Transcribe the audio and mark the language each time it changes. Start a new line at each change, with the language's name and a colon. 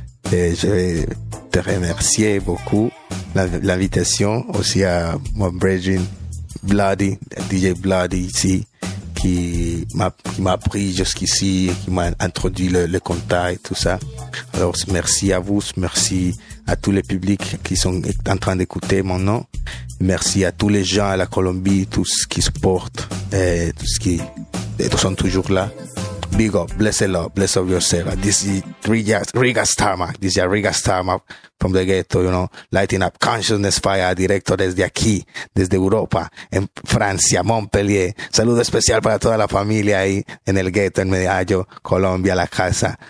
French: Et je vais te remercier beaucoup l'invitation aussi à mon brethren Bloody, DJ Bloody ici, qui m'a pris jusqu'ici, qui m'a introduit le contact et tout ça. Alors, merci à vous, merci à tous les publics qui sont en train d'écouter maintenant. Merci à tous les gens à la Colombie, tous qui supportent et tous qui sont toujours là.
English: Big up, bless the Lord, bless up yourself. This is Riga Starmark. This is Riga Starmark from the ghetto, you know. Lighting up consciousness fire,
Spanish: directo desde aquí, desde Europa, en Francia, Montpellier. Saludo especial para toda la familia ahí, en el ghetto, en Medellín, Colombia, la casa.